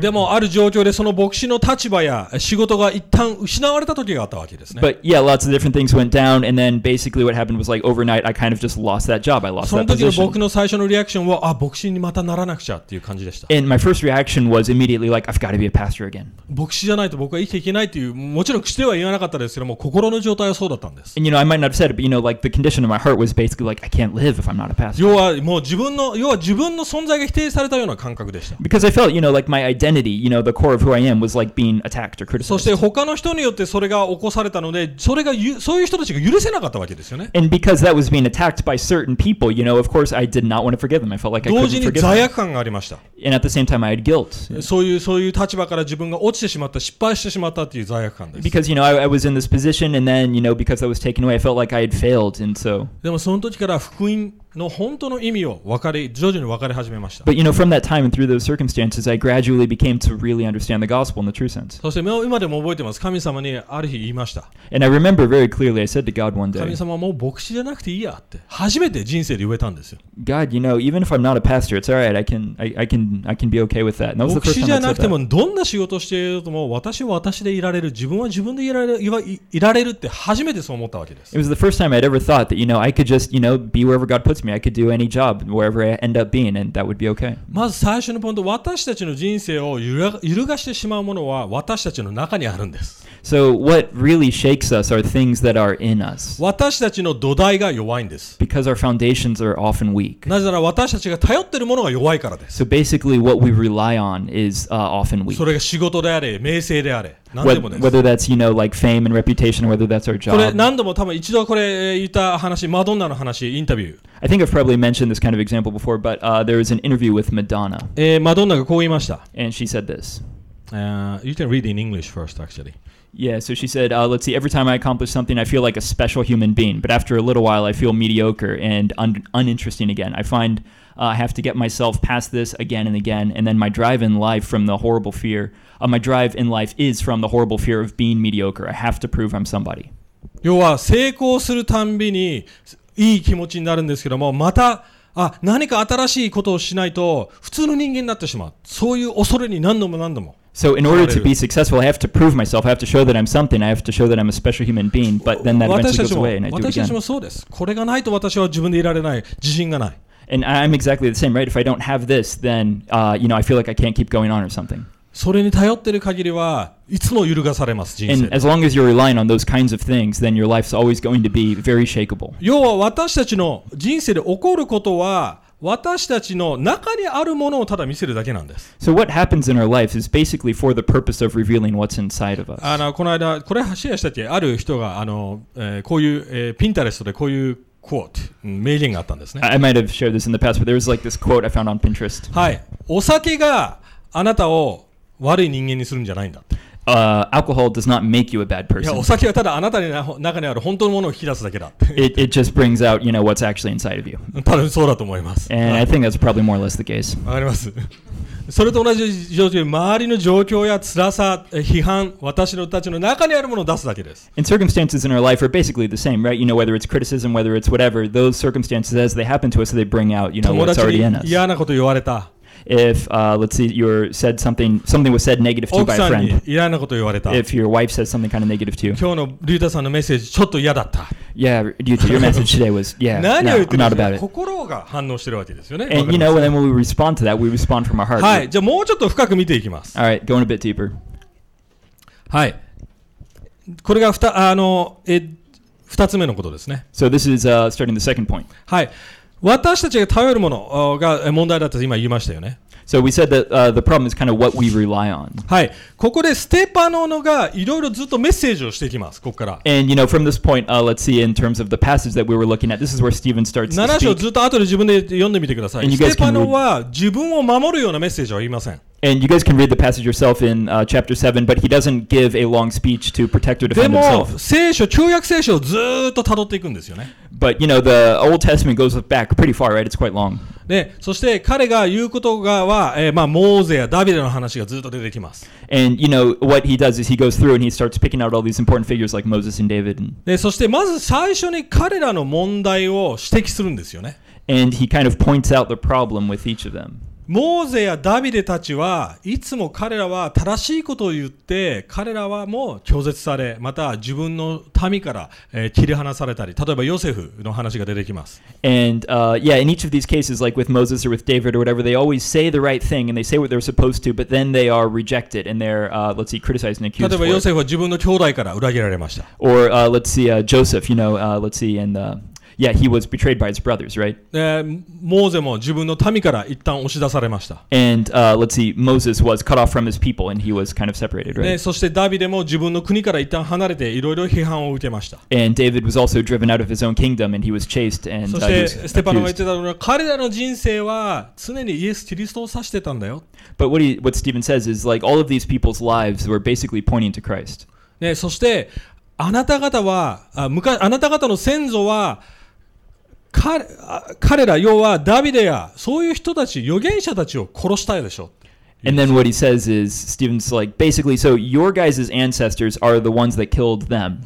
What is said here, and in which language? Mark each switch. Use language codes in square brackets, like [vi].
[ja] でもある状況でその牧師の立場や仕事が一旦失われた時があったわけですね。 [en] But yeah, lots of different things went down, and then basically what happened was like overnight, I kind of just lost that job. I lost that position. [ja] その時の僕の最初のリアクションは、あ、牧師にまたならなくちゃっていう感じでした。 [en] And my first reaction was immediately like, I've got to be a pastor again. [ja] 牧師じゃないと僕は生きていけないっていう、もちろん口では言わなかったですけども、心の状態はそうだったんです。 [en] And you know, I might not have said it, but you know, like the condition of my heart was basically like, I can't live if I'm not a pastor. [ja] 要はもう自分の存在が否定されたような感覚でした。 [en] Because I felt, you know, like my identity, you know, the core of who I am was like being attacked or criticized. [ja] そして他の人によってそれが起こされたので、それがそういう人たちが許せなかったわけですよね。 [en] And because that was being attacked by certain people, you know, of course I did not want to forgive them. I felt like I couldn't forgive them. [ja] 同時に罪悪感がありました。 [en] And at the same time I had guilt. [ja] そういう立場から自分が落ちてしまった、失敗してしまったっていう罪悪感です。 [en] Because, you know, I was in this position and then, you know, because that was taken away, I felt like I had failed and so. [ja] でもその時から福音の本当の意味を徐々に分かり始めました。 [en] But you know, from that time and through those circumstances, I gradually became to really understand the gospel in the true sense. [ja] そして今でも覚えてます。神様にある日言いました。 [en] And I remember very clearly, I said to God one day, [ja] 神様もう牧師じゃなくていいやって初めて人生で言えたんですよ。 [en] God, you know, even if I'm not a pastor, it's all right. I can be okay with that. [ja] 牧師じゃなくてもどんな仕事をしているとも私は私でいられる、自分は自分でいられるって初めてそう思ったわけです。 [en] It was the first time I'd ever thought that, you know, I could just, you know, be wherever God putsI could do any job wherever I end up being, and that would be okay. [ja] まず最初のポイント、私たちの人生を揺るがしてしまうものは私たちの中にあるんです。 [en] So what really shakes us are things that are in us. [ja] 私たちの土台が弱いんです。 [en] Because our foundations are often weak. [ja] なぜなら私たちが頼っているものが弱いからです。 [en] So basically, what we rely on is often weak. [ja] それが仕事であれ、名声であれ。 [en] whether that's, you know, like fame and reputation, whether that's our job. [ja] これ何度も多分一度これ言った話、マドンナの話、インタビュー。 [en] I think I've probably mentioned this kind of example before, but there was an interview with Madonna. [ja] マドンナがこう言いました。 [en] And she said this. You can read in English first, actually. Yeah, so she said, let's see, every time I accomplish something, I feel like a special human being. But after a little while, I feel mediocre and uninteresting again. I find I have to get myself past this again and again. And then my drive in life from the horrible fear, my drive in life is from the horrible fear of being mediocre. I have to prove I'm somebody. [ja] 要は成功するたんびにいい気持ちになるんですけども、また、あ、何か新しいことをしないと普通の人間になってしまう。そういう恐れに何度も何度も。 [en] So in order to be successful, I have to prove myself. I have to show that I'm something. I have to show that I'm a special human being. But then that eventually goes away and I do it again. [ja] 私たちもそうです。これがないと私は自分でいられない。自信がない。 [en] And I'm exactly the same, right? If I don't have this, then, you know, I feel like I can't keep going on or something. [ja] それに頼ってる限りはいつも揺るがされます、人生。 [en] And as long as you're relying on those kinds of things, then your life's always going to be very shakeable. [ja] 要は私たちの人生で起こることは、私たちの中にあるものをただ見せるだけなんです。 [en] So what happens in our life is basically for the purpose of revealing what's inside of us. [ja] あの、この間、これシェアしたっけ？ある人が、あの、こういう、Pinterest でこういうquote、名言があったんですね。 [en] I might have shared this in the past, but there was like this quote I found on Pinterest. [ja] はい。お酒があなたを悪い人間にするんじゃないんだって。 [en] Alcohol does not make you a bad person. [ja] いや、お酒はただあなたの中にある本当のものを引き出すだけだ。 [en] It just brings out, you know, what's actually inside of you. [ja] 多分そうだと思います。 [en] And I think that's probably more or less the case. [ja] わかります。それと同じ状況、周りの状況や辛さ、批判、私たちの中にあるものを出すだけです。 [en] And circumstances in our life are basically the same, right? You know, whether it's criticism, whether it's whatever, those circumstances as they happen to us, they bring out, you know, what's already in us. [ja] 友達に嫌なこと言われた。 [en] If let's see, you said something was said negative to you by a friend. [ja] 奥さんに嫌なこと言われた。 [en] If your wife says something kind of negative to you. [ja] 今日のリュータさんのメッセージちょっと嫌だった。 [en] Yeah, due to your message today was yeah. [ja] 何を言ってるんですか？心が反応してるわけですよね。 [en] And you know, then when we respond to that, we respond from our heart. [ja] はい、じゃあもうちょっと深く見ていきます。 [en] All right, going a bit deeper. [ja] はい、これが二つ目のことですね。 [en] So this is starting the second point. [ja] はい。私たちが頼るものが問題だと今言いましたよね。 [en] So we said that the problem is kind of what we rely on. [ja] はい。ここでステパノのがいろいろずっとメッセージをしていきます。ここから。 [en] And you know, from this point, let's see in terms of the passage that we were looking at, this is where Stephen starts. [ja] 七章ずっと後で自分で読んでみてください。 [en] And you guys [ja] ステパノは自分を守るようなメッセージは言いません。 [en] And you guys can read the passage yourself in chapter 7, but he doesn't give a long speech to protect or defend himself. [ja] でも、聖書、旧約聖書をずっと辿っていくんですよね。 [en] But you know, the Old Testament goes back pretty far, right? It's quite long. [ja] で、そして彼が言うことがは、まあ、モーゼやダビデの話がずっと出てきます。 [en] And you know, what he does is he goes through and he starts picking out all these important figures like Moses and David. [ja] で、そしてまず最初に彼らの問題を指摘するんですよね。 [en] And he kind of points out the problem with each of them. [ja] モーゼやダビデたちはいつも彼らは正しいことを言って彼らはもう拒絶されまた自分の民から、切り離されたり例えばヨセフの話が出てきます [en] And yeah, in each of these cases like with Moses or with David or whatever they always say the right thing and they say what they're supposed to but then they are rejected and they're let's see, criticized and accused [ja] 例えばヨセフは自分の兄弟から裏切られました [en] Or let's see, Joseph, you know, let's see, andYeah, he was betrayed by his brothers, right? [ja] モーゼも自分の民から一旦押し出されました。 [en] And let's see, Moses was cut off from his people and he was kind of separated, right? [ja] そしてダビデも自分の国から一旦離れていろいろ批判を受けました。 [en] And David was also driven out of his own kingdom and he was chased and [ja] そしてステパノが言ってたのは彼らの人生は常にイエス・キリストを指してたんだよ。 [en] But what Stephen says is like all of these people's lives were basically pointing to Christ. [ja] そしてあなた方は、あなた方の先祖は彼ら要はダビデやそういう人たち預言者たちを殺したいでしょ。 [en] And then what he says is, Stephen's like, basically, so your guys' ancestors are the ones that killed them.